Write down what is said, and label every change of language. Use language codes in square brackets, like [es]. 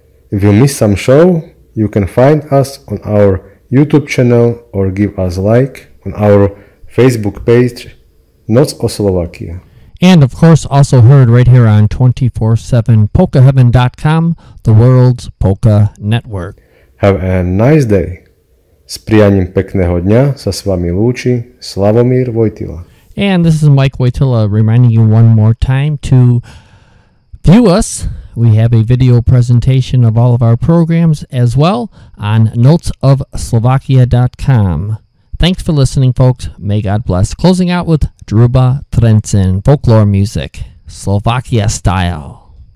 [en] If you miss some show, you can find us on our YouTube channel or give us a like on our Facebook page, Notes of Slovakia. And of course, also heard right here on 24/7 PolkaHeaven.com, the world's polka network. Have a nice day. [sk] S prianím pekného dňa sa s vami lúči Slavomír Vojtyla. [en] And this is Mike Wojtyla reminding you one more time to view us. We have a video presentation of all of our programs as well on notesofslovakia.com. Thanks for listening, folks. May God bless. Closing out with Druba Trencin, folklore music, Slovakia style.